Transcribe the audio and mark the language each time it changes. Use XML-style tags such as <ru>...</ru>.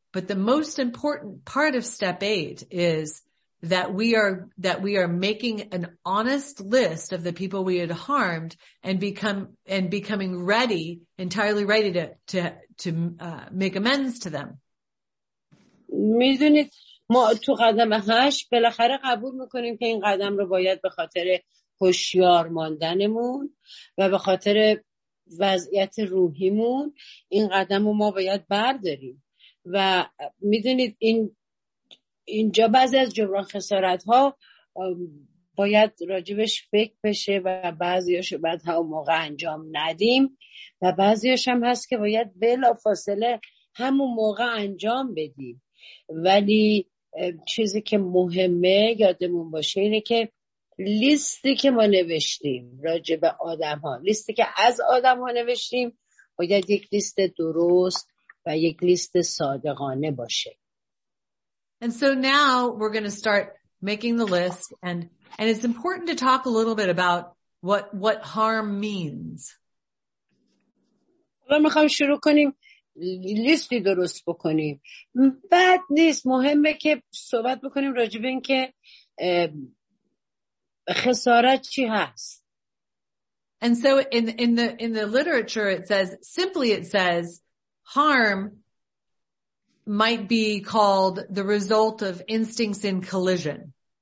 <en>But the most important part of step eight is that we are making an honest list of the people we had harmed and becoming ready, entirely ready to make amends to them.</en> <fa>میدونید ما تو قدم 8 بالاخره قبول میکنیم که این قدم رو باید به خاطر هوشیار ماندنمون و به خاطر وضعیت روحیمون این قدم رو ما باید برداریم. و میدونید اینجا بعضی از جبران خسارت ها باید راجبش فکر بشه و بعضیاش رو بعد همون موقع انجام ندیم و بعضیاش هم هست که باید بلافاصله همون موقع انجام بدیم. ولی چیزی که مهمه یادمون باشه اینه که لیستی که ما نوشتیم راجب آدم ها، لیستی که از آدم ها نوشتیم، باید یک لیست درست و یک لیست صادقانه باشه.</fa> <en>And so now we're going to start making the list, and it's important to talk a little bit about what harm means.</en> <fa>ما می‌خوام شروع کنیم لیستی درست بکنیم. بد نیست، مهمه که صحبت بکنیم راجع به اینکه خسارت چی هست.</fa> <en>And so in the literature it says harm might be called the result of instincts in collision.</en>